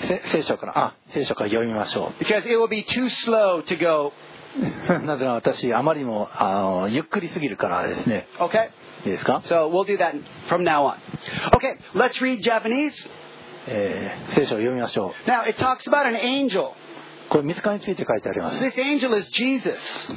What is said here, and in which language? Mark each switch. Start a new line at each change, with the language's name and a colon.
Japanese: 聖書から、聖書から読みましょう。
English: Because it will be too slow to go.
Japanese: なぜなら私あまりにもゆっくりすぎるからですね。
English: Okay.
Japanese: いいですか
English: ？So we'll do that from now on. Okay, let's read Japanese.
Japanese: 聖書を読みましょう。
English: Now it talks about an angel.
Japanese: これ御使いについて書いてあります。
English: This angel is Jesus.